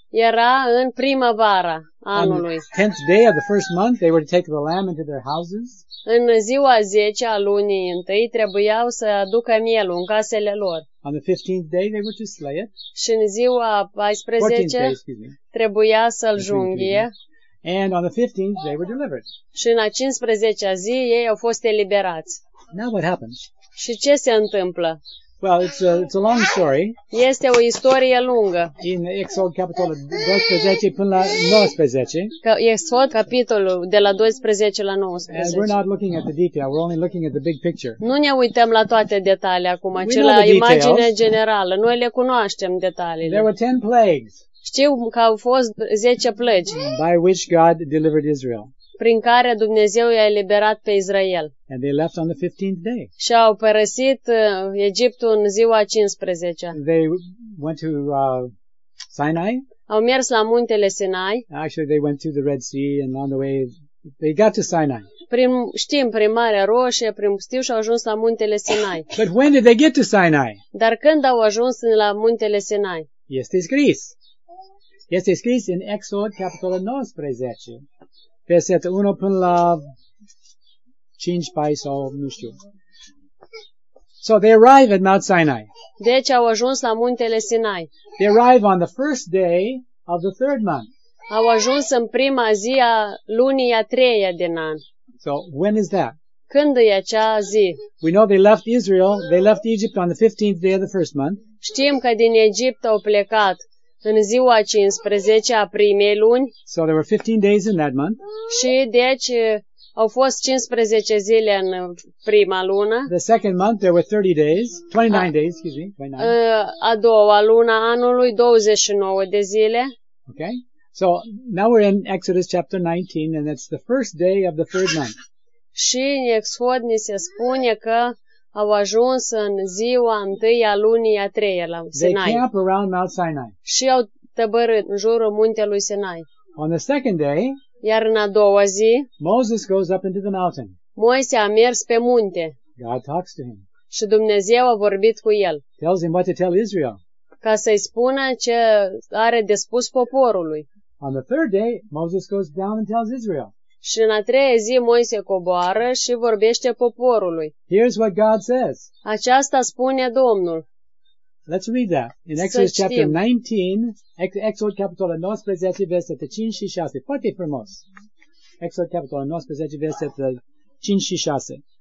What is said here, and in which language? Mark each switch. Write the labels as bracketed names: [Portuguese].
[Romanian] Era în primăvara anului. [English] On the 10th day of the first month, they were to take the lamb into their houses. [Romanian] În ziua 10 a lunii întâi trebuiau să aducă mielul în casele lor. [English] On the 15th day, they were to slay it. [Romanian] Și în ziua 14 trebuia să-l junghie. [English] And on the 15th, they were delivered. [Romanian] Și în a 15-a zi, ei au fost eliberați. [English] Now what happens? [Romanian] Și ce se întâmplă? [English] Well, it's a long story. [Romanian] Este o istorie lungă. In Exod, capitolul 12 până la 19. Exod, capitolul de la 12 la 19. [English] And we're not looking at the detail, we're only looking at the big picture. [Romanian] Nu ne uităm la toate detaliile acum, [English] we [Romanian] ci la imaginea generală. Noi le cunoaștem detaliile. [English] There were 10 plagues. [Romanian] Știu că au fost 10 plăgi. [English] By which God delivered Israel. [Romanian] Prin care Dumnezeu i-a eliberat pe Israel. [English] And they left on the 15th day. [Romanian] Și au părăsit Egiptul în ziua 15-a. [English] They went to Sinai. [Romanian] Au mers la muntele Sinai. [English] Actually, they went to the Red Sea and on the way they got to Sinai. [Romanian] Prin, știm, prin Marea Roșie, prin Pustiu și au ajuns la muntele Sinai. [English] But when did they get to Sinai? [Romanian] Dar când au ajuns la muntele Sinai? Este scris. Este scris în Exod, capitolul 19, versetul 1 până la 5, 4 sau nu știu. [English] So they arrive at Mount Sinai. [Romanian] Deci au ajuns la muntele Sinai. [English] They arrive on the first day of the third month. [Romanian] Au ajuns în prima zi a lunii a treia din an. [English] So when is that? [Romanian] Când e acea zi? [English] We know they left Israel, they left Egypt on the 15th day of the first month. [Romanian] Știm că din Egipt au plecat în ziua 15 a primei luni. [English] So there were 15 days in that month. [Romanian] Și deci au fost 15 zile în prima lună. [English] The second month there were 30 days, 29 days, excuse me, 29. [Romanian] A doua lună anului 29 de zile. [English] Okay. So now we're in Exodus chapter 19 and it's the first day of the third month. [Romanian] Și în Exod ni se spune că au ajuns în ziua întâi a lunii a treia la Sinai. [English] They camp around Mount Sinai. [Romanian] Și au tăbărât în jurul muntelui Sinai. [English] On the second day, [Romanian] iar în a doua zi, [English] Moses goes up into the mountain. [Romanian] Moise a mers pe munte. [English] God talks to him. [Romanian] Și Dumnezeu a vorbit cu el. [English] Tells him what to tell Israel. [Romanian] Ca să-i spună ce are de spus poporului. [English] On the third day, Moses goes down and tells Israel. [Romanian] Și în a treia zi Moise coboară și vorbește poporului. [English] Here's what God says. [Romanian] Aceasta spune Domnul. [English] Let's read that. In Exodus chapter 19, [Romanian] Exod capitolul 19, versetul 5 și 6. Foarte frumos. Exod capitolul 19, versetul 5 și 6.